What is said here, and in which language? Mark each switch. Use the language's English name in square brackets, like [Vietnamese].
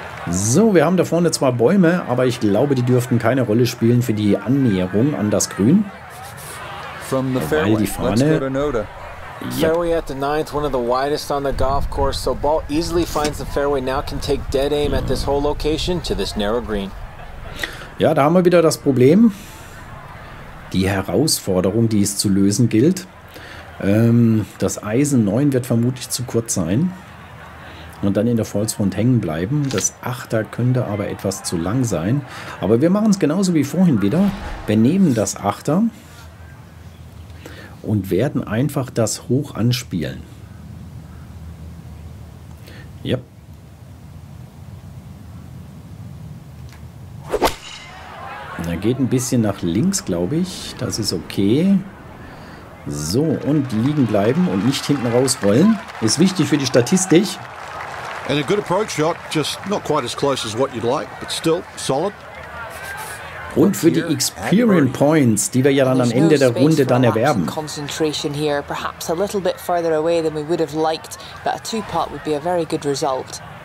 [German] So, wir haben da vorne zwar Bäume, aber ich glaube, die dürften keine Rolle spielen für die Annäherung an das Grün. Weil die Fahne. [English] Fairway at the ninth, one of the widest on the golf course, so ball easily finds the fairway, now can take dead aim at this whole location to this narrow green. [German] Ja, da haben wir wieder das Problem. Die Herausforderung, die es zu lösen gilt. Das Eisen 9 wird vermutlich zu kurz sein und dann in der Volksfront hängen bleiben. Das 8er könnte aber etwas zu lang sein. Aber wir machen es genauso wie vorhin wieder. Wir nehmen das 8er und werden einfach das hoch anspielen. [English] Yep. [German] Da geht ein bisschen nach links, glaube ich. Das ist okay. So, und liegen bleiben und nicht hinten rausrollen. Ist wichtig für die Statistik. [English] And a good approach shot, just not quite as close as what you'd like, but still solid. [German] Und für die Experience Points, die wir ja dann am Ende der Runde dann erwerben. [English] Concentration here, perhaps a little bit further away than we would have liked, but a two-putt would be a very good result.